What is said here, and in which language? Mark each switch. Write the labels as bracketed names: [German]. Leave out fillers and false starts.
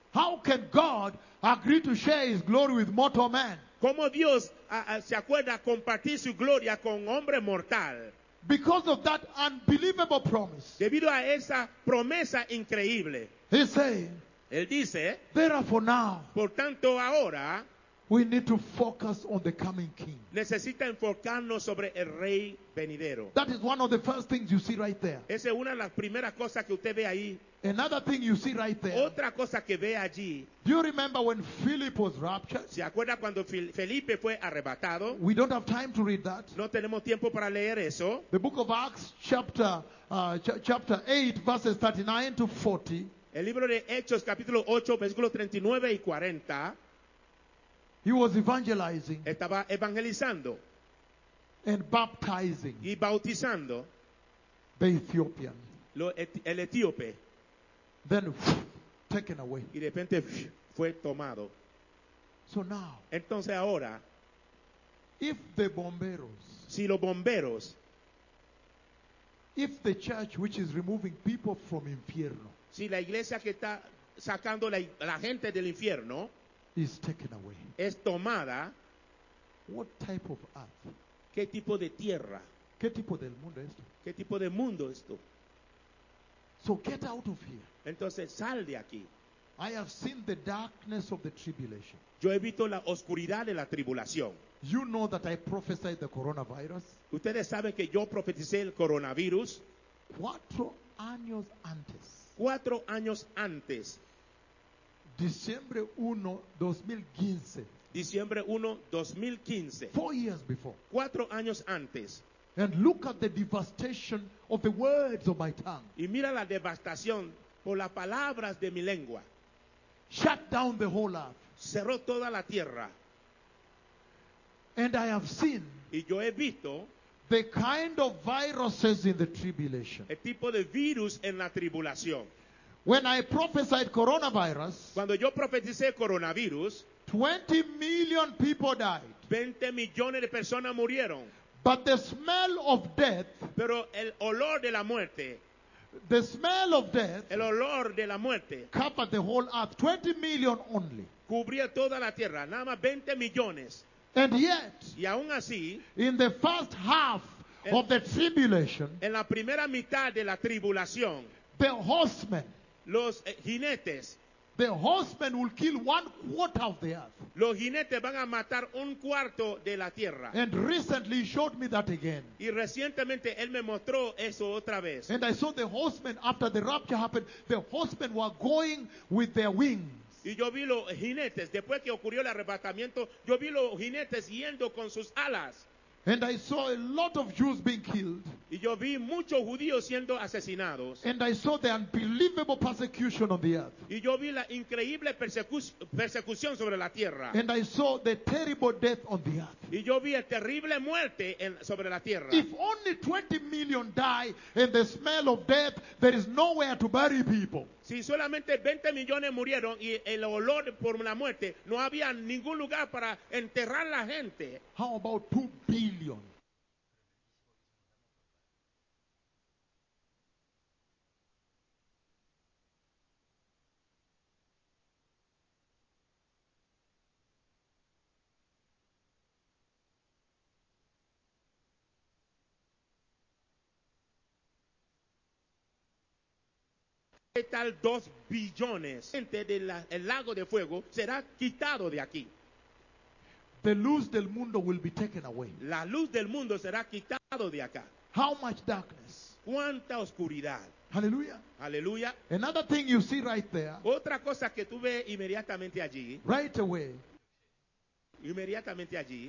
[English] How can God agree to share his glory with mortal man? [Spanish] ¿Cómo Dios se acuerda compartir su gloria con hombre mortal? [English] Because of that unbelievable promise. [Spanish] Debido a esa promesa increíble. [English] He's saying. [Spanish] Él dice. [English] Therefore now. [Spanish] Por tanto ahora. [English] We need to focus on the coming king. [Spanish] Necesita enfocarnos sobre el rey venidero. [English] That is one of the first things you see right there. [Spanish] Esa es una de las primeras cosas que usted ve ahí. [English] Another thing you see right there. [Spanish] Otra cosa que ve allí. [English] Do you remember when Philip was raptured? [Spanish] ¿Se acuerda cuando Felipe fue arrebatado? [English] We don't have time to read that. [Spanish] No tenemos tiempo para leer eso. [English] The book of Acts chapter 8 verses 39 to 40. [Spanish] El libro de Hechos, capítulo 8, versículo 39 y 40. [English] He was evangelizing. [Spanish] Estaba evangelizando. [English] And baptizing. [Spanish] Y bautizando. [English] The Ethiopian. [Spanish] El etíope. [English] Then taken away. [Spanish] Y de repente fue tomado. [English] So now. [Spanish] Entonces ahora. [English] If the bomberos. [Spanish] Si los bomberos. [English] If the church which is removing people from infierno. [Spanish] Si la iglesia que está sacando la gente del infierno [English] is taken away. [Spanish] Es tomada. [English] What type of earth? [Spanish] ¿Qué tipo de tierra? ¿Qué tipo de mundo esto? ¿Qué tipo de mundo esto? [English] So get out of here. [Spanish] Entonces sal de aquí. [English] I have seen the darkness of the tribulation. [Spanish] Yo he visto la oscuridad de la tribulación. [English] You know that I prophesied the coronavirus. [Spanish] Ustedes saben que yo profeticé el coronavirus. 4 años antes. 4 años antes. [English] Diciembre 1, 2015. 4 years before. [Spanish] 4 años antes. [English] And look at the devastation of the words of my tongue. [Spanish] Y mira la devastación por las palabras de mi lengua. [English] Shut down the whole earth. [Spanish] Cerró toda la tierra. [English] And I have seen. [Spanish] Y yo he visto. [English] The kind of viruses in the tribulation. [Spanish] El tipo de virus en la tribulación. [English] When I prophesied coronavirus. [Spanish] Cuando yo profeticé coronavirus. [English] 20 million people died. [Spanish] 20 millones de personas murieron. [English] But the smell of death. [Spanish] Pero el olor de la muerte. [English] The smell of death. [Spanish] El olor de la muerte. [English] Covered the whole earth. 20 million only. [Spanish] Cubría toda la tierra. Nada más 20 millones. [English] And yet. [Spanish] Y aún así. [English] In the first half of the tribulation. [Spanish] En la primera mitad de la tribulación. [English] The horsemen. [Spanish] Los jinetes. [English] The horsemen will kill 1/4 of the earth. [Spanish] Los jinetes van a matar 1/4 de la tierra. [English] And recently showed me that again. [Spanish] Y recientemente él me mostró eso otra vez. [English] And I saw the horsemen after the rapture happened. The horsemen were going with their wings. [Spanish] Y yo vi los jinetes después que ocurrió el arrebatamiento. Yo vi los jinetes yendo con sus alas. [English] And I saw a lot of Jews being killed. [Spanish] Y yo vi muchos judíos siendo asesinados. [English] And I saw the unbelievable persecution on the earth. [Spanish] Y yo vi la increíble persecución sobre la tierra. [English] And I saw the terrible death on the earth. [Spanish] Y yo vi la terrible muerte sobre la tierra. [English] If only 20 million die in the smell of death, there is nowhere to bury people. [Spanish] Si solamente 20 millones murieron y el olor por la muerte, no había ningún lugar para enterrar la gente. [English] How about 2 billion? [Spanish] Tal 2 billones gente del lago de fuego será quitado de aquí. [English] The [Spanish] luz del mundo [English] will be taken away. [Spanish] La luz del mundo será quitado de acá. [English] How much darkness? [Spanish] Cuánta oscuridad. [English] Hallelujah. [Spanish] Hallelujah. [English] Another thing you see right there. [Spanish] Otra cosa que tú ves inmediatamente allí. [English] Right away. [Spanish] Inmediatamente allí.